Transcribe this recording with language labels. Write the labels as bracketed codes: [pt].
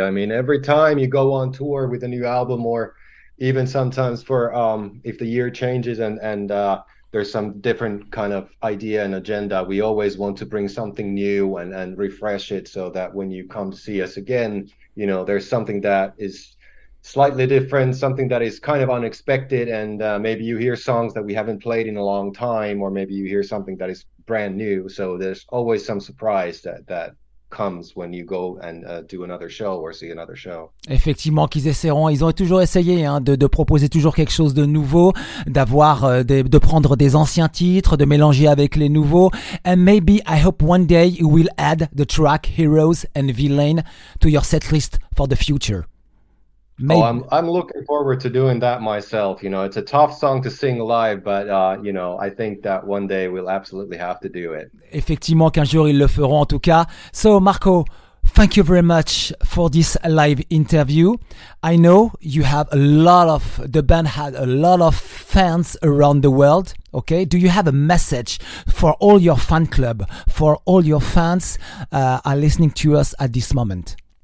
[en] I mean, every time you go on tour with a new album, or even sometimes for if the year changes and there's some different kind of idea and agenda, we always want to bring something new and refresh it, so that when you come to see us again, you know, there's something that is slightly different, something that is kind of unexpected, and maybe you hear songs that we haven't played in a long time, or maybe you hear something that is brand new. So there's always some surprise that comes when you go and do another show or see another show. [fr] Effectivement, qu'ils essaieront, ils ont toujours essayé hein, de proposer toujours quelque chose de nouveau, d'avoir de prendre des anciens titres, de mélanger avec les nouveaux. [en] And maybe I hope one day you will add the track Heroes and Villain to your set list for the future. Maybe. Oh, I'm looking forward to doing that myself. You know, it's a tough song to sing live, but you know, I think that one day we'll absolutely have to do it. [fr] Effectivement, qu'un jour ils le feront, en tout cas. [en] So, Marco, thank you very much for this live interview. I know you have the band had a lot of fans around the world. Okay, do you have a message for all your fan club, for all your fans are listening to us at this moment?